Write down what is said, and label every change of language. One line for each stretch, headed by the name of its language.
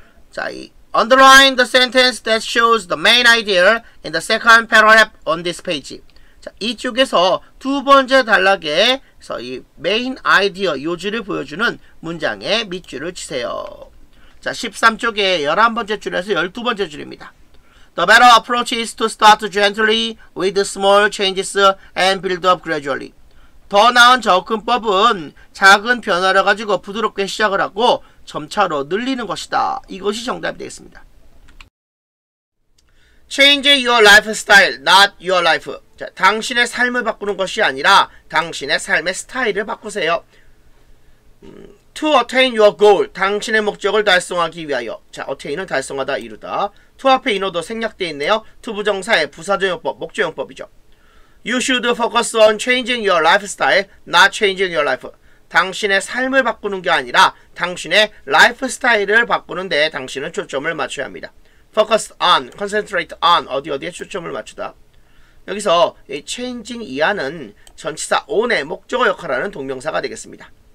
English: 자, 이 underline the sentence that shows the main idea in the second paragraph on this page.
Korean: 자, 이쪽에서 두 번째 단락에서 이 메인 아이디어 요지를 보여주는 문장의 밑줄을 치세요. 자, 13쪽에 11번째 줄에서 12번째 줄입니다.
English: The better approach is to start gently with small changes and build up gradually.
Korean: 더 나은 접근법은 작은 변화를 가지고 부드럽게 시작을 하고 점차로 늘리는 것이다. 이것이 정답이 되겠습니다.
English: Change your lifestyle, not your life.
Korean: 자, 당신의 삶을 바꾸는 것이 아니라 당신의 삶의 스타일을 바꾸세요.
English: To attain your goal,
Korean: 당신의 목적을 달성하기 위하여. 자, attain은 달성하다, 이루다. To 앞에 인어도 생략되어 있네요. To 부정사의 부사적용법, 목적용법이죠.
English: You should focus on changing your lifestyle, not changing your life.
Korean: 당신의 삶을 바꾸는 게 아니라 당신의 라이프스타일을 바꾸는 데 당신은 초점을 맞춰야 합니다. Focus on, concentrate on, 어디어디에 초점을 맞추다. 여기서 이 changing 이하는 전치사 on의 목적어 역할하는 동명사가 되겠습니다.